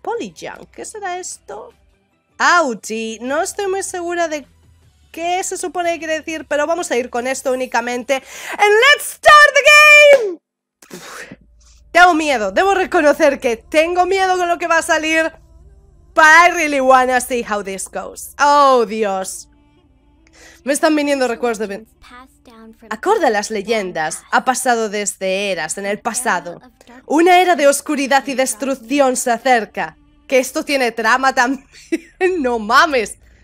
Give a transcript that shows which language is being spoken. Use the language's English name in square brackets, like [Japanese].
[Spanish] Polyjunk, ¿qué será esto? Auti, no estoy muy segura de qué se supone que quiere decir, pero vamos a ir con esto únicamente. [English] ¡And let's start the game! [Spanish] Tengo miedo, debo reconocer que tengo miedo con lo que va a salir. [English] But I really wanna see how this goes. [Spanish] Oh, Dios. Me están viniendo recuerdos de... Acorde a las leyendas, ha pasado desde eras en el pasado. Una era de oscuridad y destrucción se acerca. Que esto tiene trama también. ¡No mames!